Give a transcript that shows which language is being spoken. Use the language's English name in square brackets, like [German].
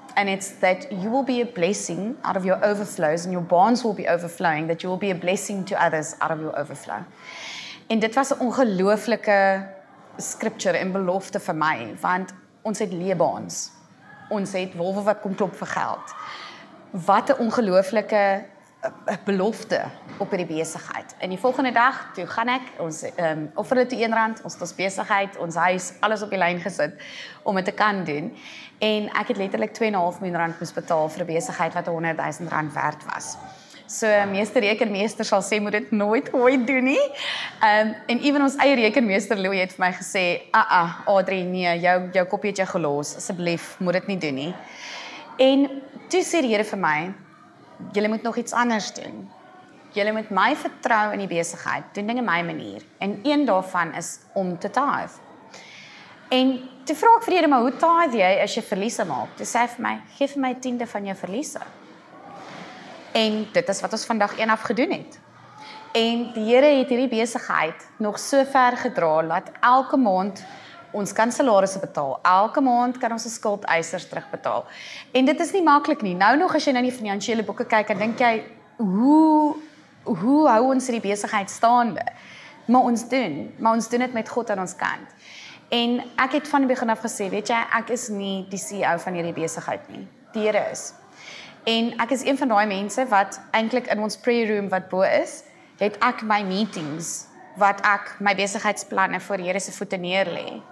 [English] And it's that you will be a blessing out of your overflows and your barns will be overflowing, that you will be a blessing to others out of your overflow. [Afrikaans] En dit was 'n ongelooflike scripture en belofte vir my, want ons het leebaans. Ons het wolwe wat kom klop vir geld. Wat 'n ongelooflike belofte op hierdie besigheid. En die volgende dag, toe gaan ek ons offer het toe R1, ons het ons besigheid, ons huis, alles op die lyn gesit om dit te kan doen. En ek het letterlik 2,5 miljoen rand moes betaal vir 'n besigheid wat R100,000 werd was. So meester rekenmeester sal sê moet dit nooit ooit doen nie. En ewen ons eie rekenmeester Louw het vir my gesê, Audrey, nee, jou kopie het jou gelos. Asseblief, moet dit nie doen nie. En toe sê die Here vir my, jylle moet nog iets anders doen. Jylle moet my vertrou in die besigheid, doen dinge my manier. En een daarvan is om te tithe. En toe vra ek vir die Here, maar hoe tithe jy as jy verliese maak? Toe sê hy vir my, geef my 1/10 van jou verliese. En dit is wat ons vandag 1 af gedoen het. En die Here het hierdie besigheid nog so ver gedra, laat elke maand ons kan salarisse betaal. Elke maand kan ons ons skuldeisers terugbetaal. En dit is nie maklik nie. Nou nog as jy nou die finansiële boeke kyk, dan dink jy, hoe hou ons hierdie besigheid staande? Maar ons doen. Maar ons doen dit met God aan ons kant. En ek het van die begin af gesê, weet jy, ek is nie die CEO van hierdie besigheid nie. Die Here is. En ek is een van daai mense wat eintlik in ons prayer room wat bo is, het ek my meetings wat ek my besigheidsplanne voor Here se voete neerlê.